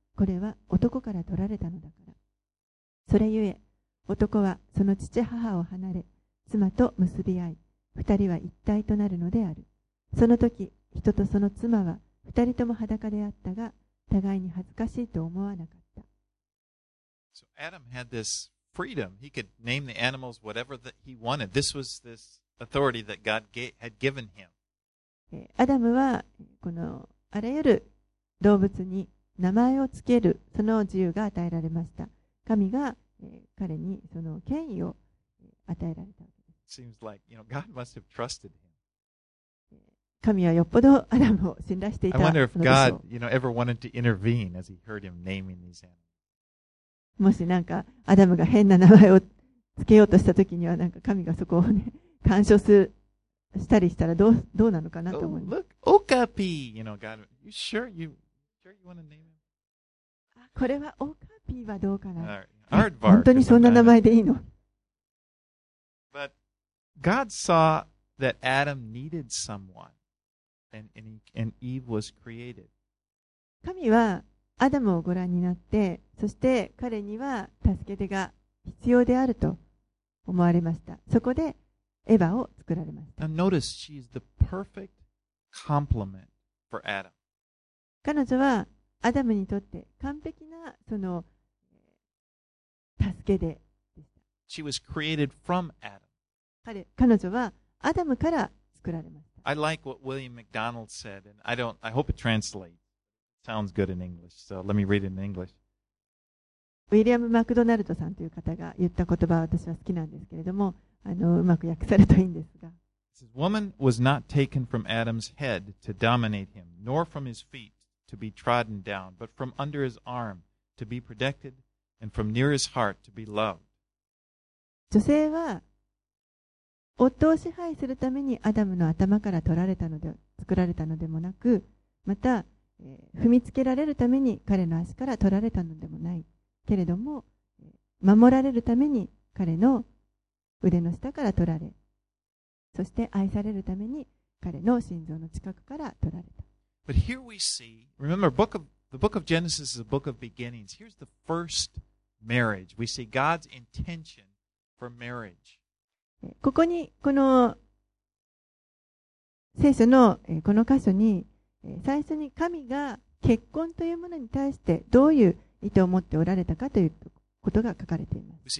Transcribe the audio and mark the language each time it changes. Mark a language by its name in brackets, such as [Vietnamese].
[Japanese] これは男から取られたのだから。それゆえ、男はその父母を離れ、妻と結び合い、二人は一体となるのである。その時、人とその妻は二人とも裸であったが、互いに恥ずかしいと思わなかった。 [English] So Adam had this freedom. He could name the animals whatever that he wanted. This was this... authority that God had given him. [Japanese] アダムはこのあらゆる動物に名前をつけるその自由が与えられました。神が彼にその権威を与えられたわけで [English] seems like, you know, God must have trusted him. [Japanese] 神はよっぽどアダムを信頼していたのでしょう。 [English] I wonder if God, you know, ever wanted to intervene as he heard him naming these animals. [Japanese] もしなんかアダムが変な名前をつけようとしたときにはなんか神がそこをね、干渉する。したりしたらどうなのかなと思います。 [English] Oh, look, Okapi, you know, God, you sure you want to name him? [Japanese] あ、これはオカピはどうかな。 [English] Aardvark, [Japanese] 本当にそんな名前でいいの。 [English] But God saw that Adam needed someone, and Eve was created. [Japanese] 神はアダムをご覧になって、そして彼には助け手が必要であると思われました。そこでエヴァを作られました [English] 。 Now notice, she is the perfect complement for Adam. [Japanese] 彼女はアダムにとって完璧なその助けで。 [English] She was created from Adam. [Japanese] 彼女はアダムから作られました。 [English] I like what William MacDonald said, and I hope it translates. Sounds good in English, so let me read it in English. [Japanese] ウィリアム・マクドナルドさんという方が言った言葉は私は好きなんですけれども、あのうまく訳されるといいんですが。 [English] Woman was not taken from Adam's head to dominate him, nor from his feet to be trodden down, but from under his arm to be protected, and from near his heart to be loved. [Japanese] 女性は夫を支配するためにアダムの頭から作られたのでもなく、また、踏みつけられるために彼の足から取られたのでもないけれども、守られるために彼の腕の下から取られ、そして愛されるために彼の心臓の近くから取られた。 [English] But here we see, remember, the book of Genesis is a book of beginnings. Here's the first marriage. We see God's intention for marriage. [Japanese] ここに、この聖書のこの箇所に、最初に神が結婚というものに対してどういう意図を持っておられたかということが書かれています。